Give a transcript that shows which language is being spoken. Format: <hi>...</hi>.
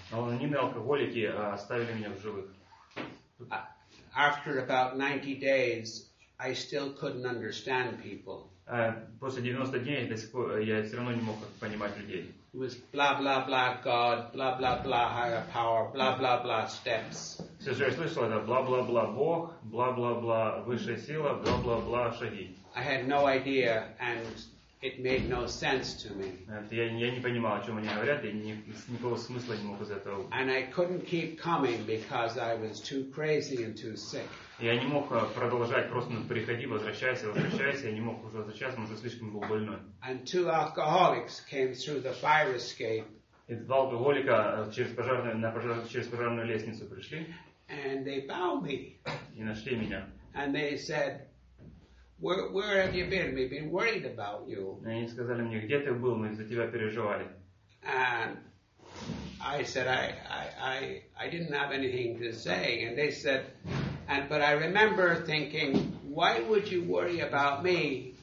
<ru>Анонимные алкоголики оставили меня в живых.</ru> <en>After about 90 days, I still couldn't understand people.</en> <ru>После 90 дней я все равно не мог понимать людей.</ru> <en>It was blah blah blah God, blah blah blah higher power, blah blah blah steps.</en> <ru>Все, что я слышал, это бла бла бла Бог, бла бла бла высшая сила, бла бла бла шаги.</ru> <en>I had no idea and it made no sense to me.</en> <ru>Я не понимал, о чем они говорят, я никакого смысла не мог из этого.</ru> <en>And I couldn't keep coming because I was too crazy and too sick.</en> <ru>Я не мог продолжать, просто приходи, возвращайся, я не мог уже возвращаться, потому что слишком был больной.</ru> <en>And two alcoholics came through the fire escape.</en> <ru>И два алкоголика через пожарную лестницу пришли.</ru> <en>And they found me.</en> <ru>И нашли меня.</ru> <en>And they said, Where have you been? We've been worried about you.</en> <ru>Они сказали мне, где ты был? Мы за тебя переживали.</ru> <en>And I said I didn't have anything to say. And they said, but I remember thinking, why would you worry about me?</en>